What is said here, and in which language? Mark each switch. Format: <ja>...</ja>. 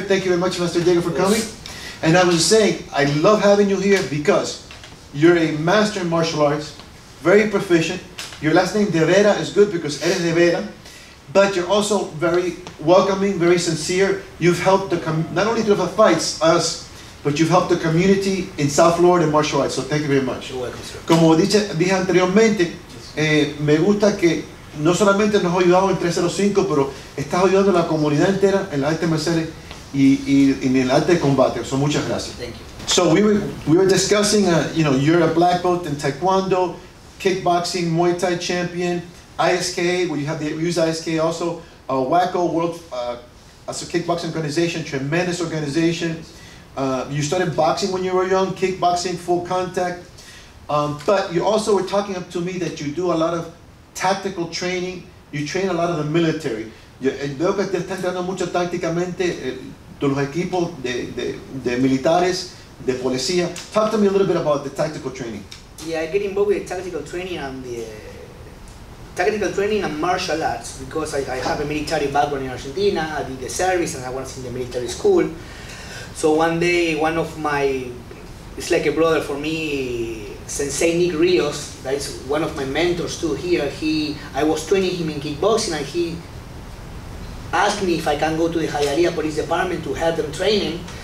<en>Thank you very much, Master Diego, for coming. Yes. And I was saying, I love having you here because you're a master in martial arts, very proficient. Your last name, Devera, is good because</en> <es>eres Devera.</es> <en>But you're also very welcoming, very sincere. You've helped the not only 305 Fights, us, but you've helped the community in South Florida in martial arts. So thank you very much. You're welcome, sir.</en> <es>Como dije anteriormente, me gusta que no solamente nos has ayudado en 305, pero estás ayudando a la comunidad entera en las artes marciales y en el arte de combate. So muchas gracias.</es> <en>Thank you. So we were discussing, you know, you're a black belt in taekwondo, kickboxing, Muay Thai champion, ISKA, where you have the use ISKA also, WACO World, as a kickboxing organization, tremendous organization. You started boxing when you were young, kickboxing, full contact. But you also were talking up to me that you do a lot of tactical training. You train a lot of the military.</en> <es>Veo que te están entrenando mucho tácticamente de los equipos de militares, de policía.</es> <en>Talk to me a little bit about the tactical training. Yeah, I get involved with tactical training and martial arts because I have a military background in Argentina. I did the service and I was in the military school. So one day, one of my, it's like a brother for me, Sensei Nick Rios, that is one of my mentors too here, I was training him in kickboxing and he asked me if I can go to the Hialeah Police Department to help them train him.</en>